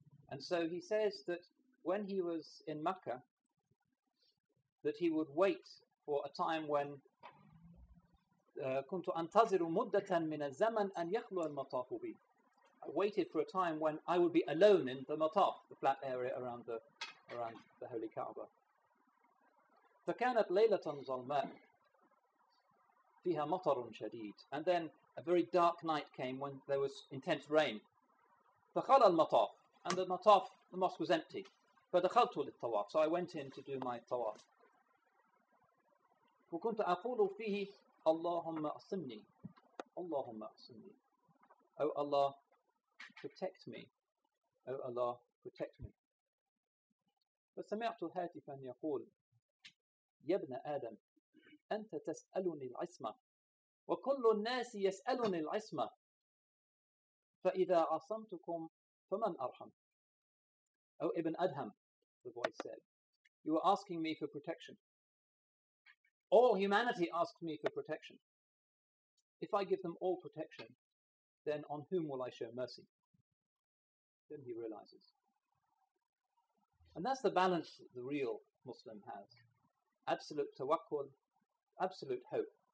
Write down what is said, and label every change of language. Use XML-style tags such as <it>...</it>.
<en>And so he says that when he was in Mecca, that he would wait for a time when</en> <ar>كنت أنتظر مدة من الزمن أن يخلو المطاف بي.</ar> <en>I waited for a time when I would be alone in the mataf, the flat area around the Holy Kaaba.</en> <ar>فكانت ليلة ظلماء فيها مطر شديد.</ar> <en>And then a very dark night came when there was intense rain.</en> <ar>فخلى المطاف.</ar> <en>And the mataf, the mosque was empty.</en> <ar>فدخلت للطواف.</ar> <en>So I went in to do my tawaf.</en> <ar>وكنت أقول فيه Allahumma asimni. Allahumma asimni.</ar> <en>O Allah, protect me. O Allah, protect me.</en> <ar>فسمعت هاتفا يقول يا ابن آدم أنت تسألني العصمة وكل الناس يسألني العصمة فإذا عصمتكم فمن أرحم؟ أو ابن أدهم,</ar> <en>the voice said, you are asking me for protection. All humanity asks me for protection. If I give them all protection, then on whom will I show mercy? Then he realizes. And that's the balance that the real Muslim has. Absolute tawakkul, absolute hope.</en>